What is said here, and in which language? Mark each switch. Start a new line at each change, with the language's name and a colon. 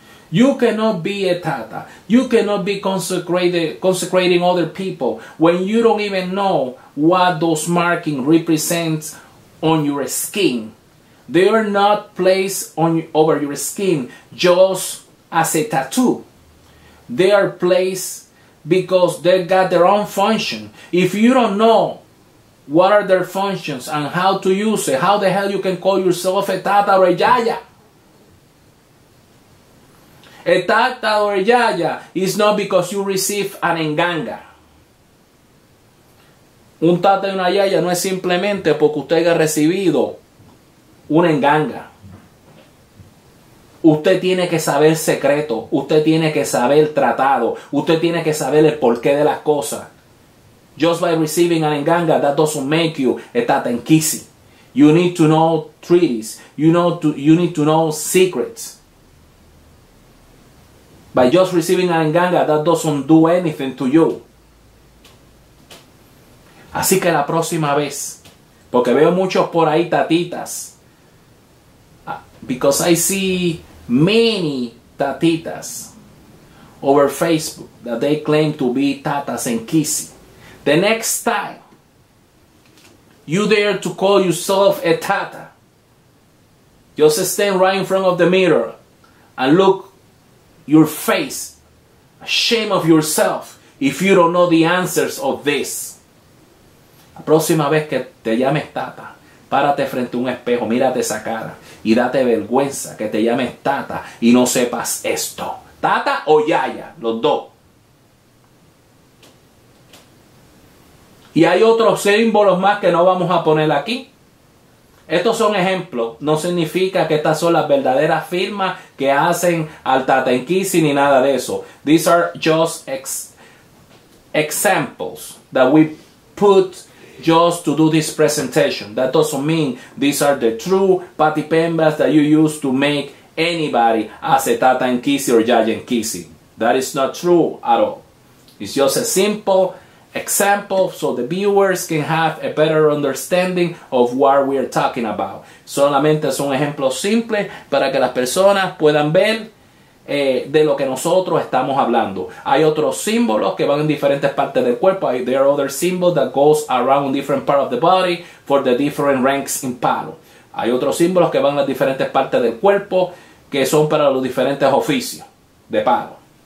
English: You cannot be a Tata. You cannot be consecrating other people when you don't even know what those markings represent on your skin. They are not placed over your skin just as a tattoo. They are placed because they've got their own function. If you don't know what are their functions and how to use it, how the hell you can call yourself a Tata or a Yaya? A Tata or a Yaya is not because you receive an enganga.
Spanish: Un Tata y una Yaya no es simplemente porque usted ha recibido una enganga. Usted tiene que saber secreto, usted tiene que saber tratado, usted tiene que saber el porqué de las cosas.
English: Just by receiving an enganga, that doesn't make you a Tata Nkisi. You need to know treaties, you need to know secrets. By just receiving an enganga, that doesn't do anything to you.
Spanish: Así que la próxima vez, porque veo muchos por ahí tatitas,
English: because I see many tatitas over Facebook that they claim to be Tatas and Kisi. The next time you dare to call yourself a Tata, just stand right in front of the mirror and look your face, ashamed of yourself, if you don't know the answers of this.
Spanish: La próxima vez que te llames Tata, Párate frente a un espejo, mírate esa cara y date vergüenza que te llames tata y no sepas esto. Tata o yaya, los dos. Y hay otros símbolos más que no vamos a poner aquí. Estos son ejemplos. No significa que estas son las verdaderas firmas que hacen al Tata Inquisi ni nada de eso.
English: These are just examples that we put just to do this presentation. That doesn't mean these are the true patipembas that you use to make anybody as a Tata Inquisi or Yaya Inquisi. That is not true at all. It's just a simple example so the viewers can have a better understanding of what we are talking about.
Spanish: Solamente son ejemplos simples para que las personas puedan ver de lo que nosotros estamos hablando. Hay otros símbolos que van en diferentes partes del cuerpo.
English: There are other symbols that goes around different parts of the body for the different ranks in Palo.
Spanish: Hay otros símbolos que van a diferentes partes del cuerpo que son para los diferentes oficios de Palo.